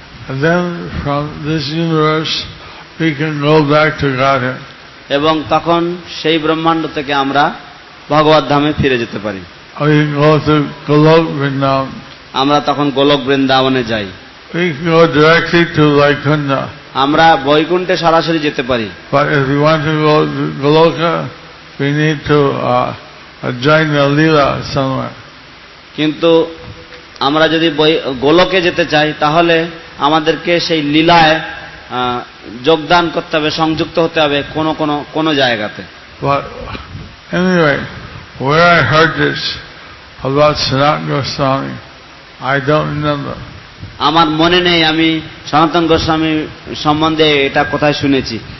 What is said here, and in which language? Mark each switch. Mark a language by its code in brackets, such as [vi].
[en] And then from this universe we can go back to Godhead. [bn] এবং তখন সেই ব্রহ্মাণ্ড থেকে আমরা ভগবত ধামে ফিরে যেতে পারি। [en] We can go to Golok Vrindavan. [bn] আমরা তখন গোলক বৃন্দাবনে যাই। [en] We can go directly to Vaikuntha. [bn] আমরা বৈকুণ্ঠে সরাসরি যেতে পারি। [en] But if we want to go to Goloka, we need to join the Lila somewhere. [bn] কিন্তু আমরা যদি গোলকে যেতে চাই তাহলে আমাদেরকে সেই লীলায় যোগদান করতে হবে, সংযুক্ত হতে হবে কোন কোন কোন জায়গাতে। [en] But anyway, where I heard this about Sanatan Goswami, I don't remember. [bn] আমার মনে নেই আমি সনাতন গোস্বামী সম্বন্ধে এটা কোথায় শুনেছি।